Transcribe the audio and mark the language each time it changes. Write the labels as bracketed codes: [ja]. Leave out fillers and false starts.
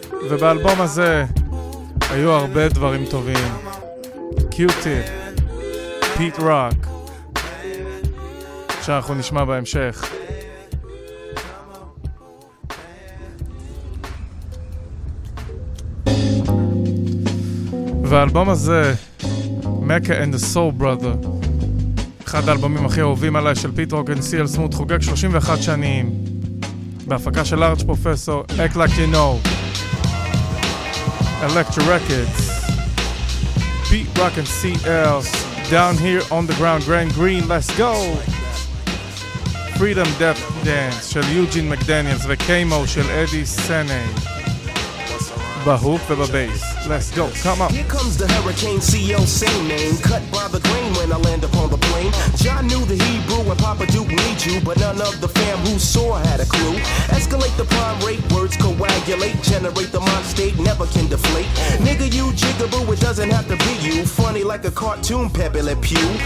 [he] ובאלבום הזה היו הרבה דברים טובים. Q-Tip, Pete Rock, שאנחנו נשמע בהמשך. והאלבום הזה, Mecca and the Soul Brother, אחד האלבומים הכי אהובים עליי של פיט רוק אנד סי.אל סמות, חוגג 31 שנים בהפקה של ארץ' פרופסור, Act Like You Know, Electra Records, פיט רוק אנד סי.אל, Down Here on the Ground, Grand Green, Let's Go, Freedom Death Dance של יוג'ין מקדניאלס וקיימו של אדי סנאי בהוף ובבייס. [en] Let's go, come on. Here comes the hurricane, CEO, same name. Cut by the grain when I land upon the plane. John knew the Hebrew and Papa Duke need you, but none of the fam who saw had a clue. Escalate the prime rate, words coagulate, generate the mind state, never can deflate. Nigga, you jigaboo, it doesn't have to be you. Funny like a cartoon, Pepe Le Pew.